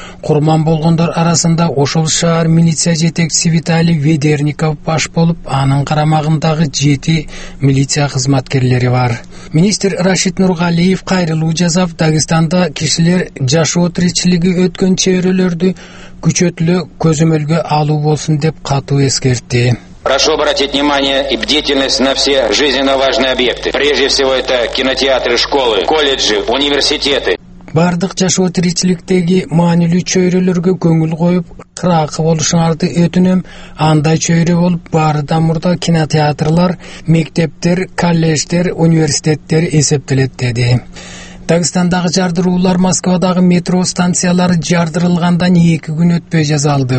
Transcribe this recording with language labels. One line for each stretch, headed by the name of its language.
Kyrgyz: Курман болгондор арасында ошол шаар милиция жетекчиси Виталий Ведерников баш болуп, анын карамагындагы 7 милиция кызматкерлери бар. Министр Рашид Нургалиев кайрылуу жасап, Дагестанда кишилер жашоо тиричилиги өткөн чөйрөлөрдү күчөтүлө көзөмөлгө алуу болсун деп катуу эскертти.
Russian: Прошу обратить внимание и бдительность на все жизненно важные объекты. Прежде всего это кинотеатры, школы, колледжи, университеты.
Kyrgyz: Бардык жашоо тиричиликтеги маанилүү чөйрөлөргө көңүл коюп, кыраакы болушуңарды өтүнөм. Андай чөйрө болуп, баардан мурда кинотеатрлар, мектептер, коллежтер, университеттер эсептелет деди. Дагестандагы жардыруулар Москвадагы метро станциялары жардырылгандан 2 күн өтпөй жазалды.